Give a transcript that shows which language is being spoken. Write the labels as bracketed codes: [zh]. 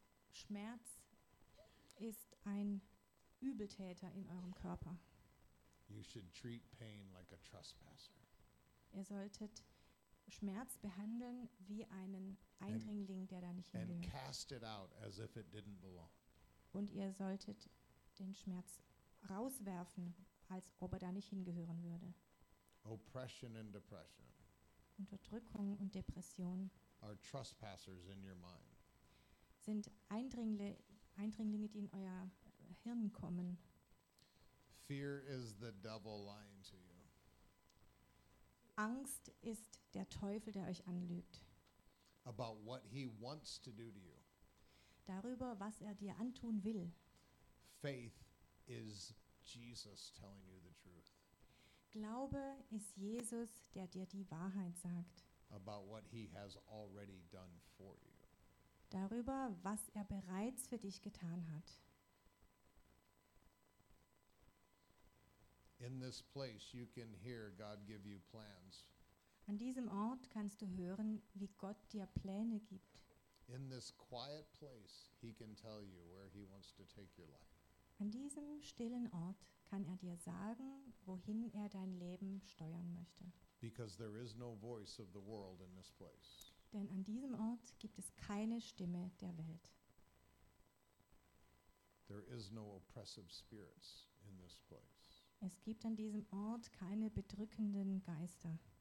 [de] Schmerz ist ein Übeltäter in eurem Körper. [en] You should treat pain like a trespasser. [de] Ihr solltet Schmerz behandeln wie einen Eindringling, der da nicht hingehört. [en] And cast it out as if it didn't belong. [de] Und ihr solltet den Schmerz rauswerfen, als ob er da nicht hingehören würde. [en] Oppression and depression. [de] Unterdrückung und Depression [en] are trespassers in your mind. [de] Sind Eindringlinge, die in euer Hirn kommen. [en] Fear is the devil lying to you. [de] Angst ist der Teufel, der euch anlügt. [en] About what he wants to do to you. [de] Darüber, was er dir antun will. [en] Faith is Jesus telling you the truth. [de] Glaube ist Jesus, der dir die Wahrheit sagt. [en] About what he has already done for you. [de] Darüber, was er bereits für dich getan hat. [en] In this place you can hear God give you plans. [de] An diesem Ort kannst du hören, wie Gott dir Pläne gibt. [en] In this quiet place he can tell you where he wants to take your life. [de] An diesem stillen Ort kann er dir sagen, wohin er dein Leben steuern möchte. [en] Because there is no voice of the world in this place. [de] Denn an diesem Ort gibt es keine Stimme der Welt. [en] There is no oppressive spirits in this place. [de] Es gibt an diesem Ort keine bedrückenden Geister.